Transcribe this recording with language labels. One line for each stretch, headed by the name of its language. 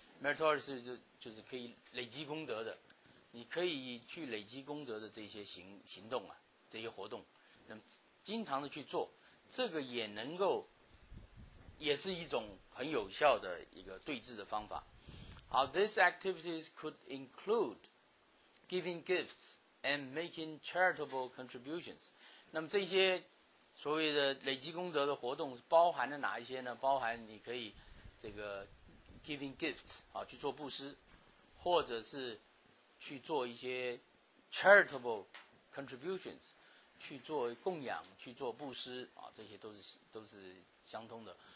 Chinese: meritorious 就是可以累积功德的，你可以去累积功德的这些行动啊，这些活动，那么经常的去做，这个也能够也是一种很有效的一个对治的方法。
English: 好， these activities could include giving gifts and making charitable contributions。
Chinese: 那么这些所谓的累积功德的活动包含了哪一些呢？包含你可以这个
English: giving gifts
Chinese: 啊，去做布施，或者是去做一些
English: charitable contributions，
Chinese: 去做供养，去做布施啊，这些都是相通的。